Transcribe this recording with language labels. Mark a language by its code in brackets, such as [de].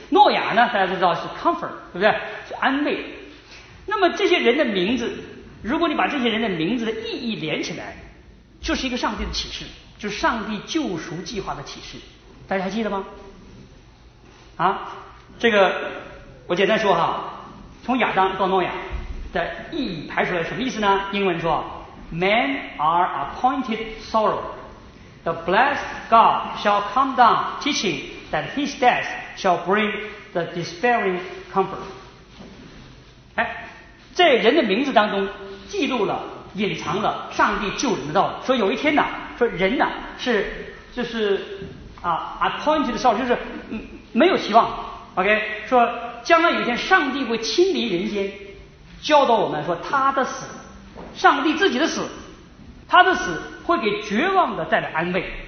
[zh] 诺亚呢，大家都知道是 comfort， 对不对？是安慰。那么这些人的名字，如果你把这些人的名字的意义连起来，就是一个上帝的启示。就是上帝救赎计划的启示，大家还记得吗？啊，这个我简单说哈，从亚当到诺亚的意义排出来什么意思呢？ [en] 英文说 Men are appointed sorrow, the blessed God shall come down teaching that his death shall bring the despairing comfort。 [zh] 哎，在人的名字当中记录了隐藏了上帝救人的道理，说有一天呢，说人呢是就是啊 [en] appointed the soul， [zh] 就是没有期望。 OK， 说将来有一天上帝会亲临人间，教导我们说他的死，上帝自己的死，他的死会给绝望的带来安慰。